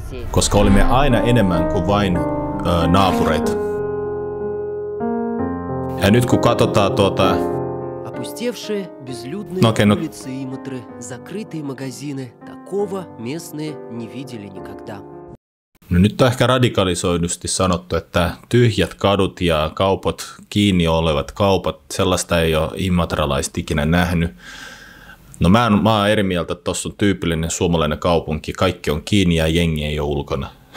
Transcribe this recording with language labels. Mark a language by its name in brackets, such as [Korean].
[Finnish] Koska olimme aina enemmän kuin vain naapureit. Ja nyt kun katsotaan [Russian] улицы и метро, закрытые магазины, такого местные не видели никогда. [Finnish] No, nyt on ehkä radikalisoidusti sanottu, että tyhjät kadut ja kaupat, kiinni olevat kaupat, sellaista ei ole imatralaiset ikinä nähnyt. No mä oon eri mieltä, että tossa on tyypillinen suomalainen kaupunki, kaikki on kiinni ja jengi ei ole ulkona.